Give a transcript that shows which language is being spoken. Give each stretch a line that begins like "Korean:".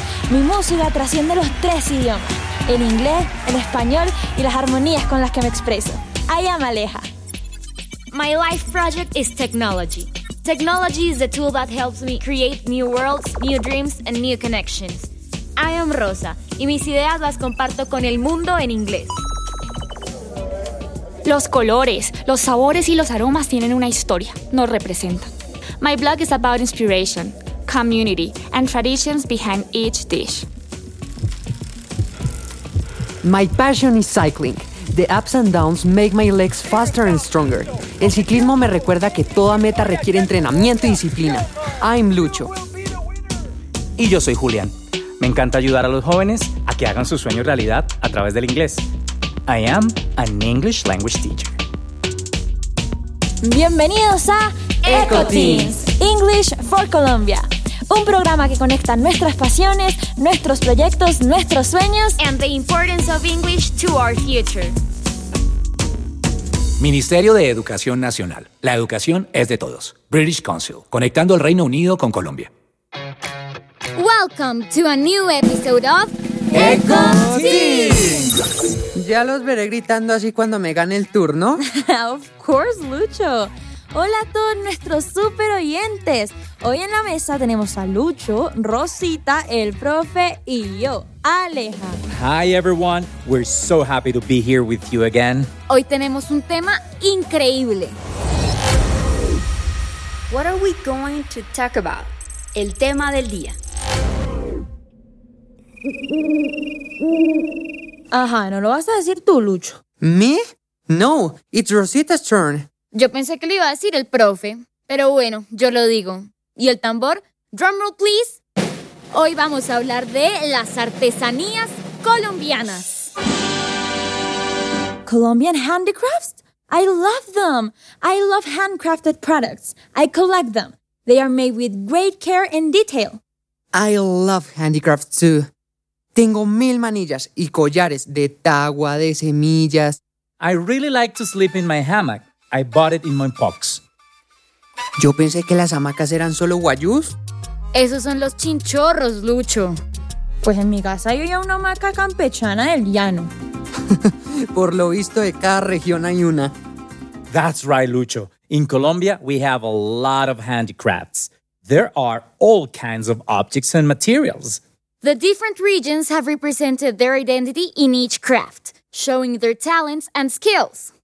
Spanish: Mi música trasciende los tres idiomas, el inglés, el español y las armonías con las que me expreso.
English: I am Aleja. My life project is technology. Technology is the tool that helps me create new worlds, new dreams, and new connections. I am Rosa,
Spanish: y mis ideas las comparto con el mundo en inglés. Los colores, los sabores y los aromas tienen una historia, nos representan.
English: My blog is about inspiration, community, and traditions behind each dish. My passion is cycling. The ups and downs make my legs faster and stronger.
Spanish: El ciclismo me recuerda que toda meta requiere entrenamiento y disciplina.
English: I'm Lucho.
Spanish: Y yo soy Julián. Me encanta ayudar a los jóvenes a que hagan sus sueños realidad a través del inglés.
English: I am an English language teacher.
Spanish: Bienvenidos a EcoTeens,
English: English for Colombia.
Spanish: Un programa que conecta nuestras pasiones, nuestros proyectos, nuestros sueños
English: and the importance of English to our future.
Spanish: Ministerio de Educación Nacional. La educación es de todos. British Council. Conectando el Reino Unido con Colombia.
English: Welcome to a new episode of EcoTeens.
Spanish: Ya los veré gritando así cuando me gane el turno.
English: Of course, Lucho.
Spanish: Hola a todos nuestros super oyentes. Hoy en la mesa tenemos a Lucho, Rosita, el profe y yo, Aleja.
English: Hi everyone, we're so happy to be here with you again.
Spanish: Hoy tenemos un tema increíble.
English: What are we going to talk about?
Spanish: El tema del día. Ajá, ¿no lo vas a decir tú, Lucho?
English: ¿Me? No, it's Rosita's turn.
Spanish: Yo pensé que le iba a decir el profe, pero bueno, yo lo digo. ¿Y el tambor?
English: Drumroll, please.
Spanish: Hoy vamos a hablar de las artesanías colombianas.
English: ¿Colombian handicrafts? I love them. I love handcrafted products. I collect them. They are made with great care and detail. I love handicrafts too.
Spanish: Tengo mil manillas y collares de tagua, de semillas.
English: I really like to sleep in my hammock. I bought it in my box.
Spanish: Yo pensé que las hamacas eran solo guayús. Esos son los chinchorros, Lucho. Pues en mi casa hay una hamaca campechana del llano. Por lo visto, de cada región hay una.
English: That's right, Lucho. In Colombia, we have a lot of handicrafts. There are all kinds of objects and materials. The different regions have represented their identity in each craft, showing their talents and skills.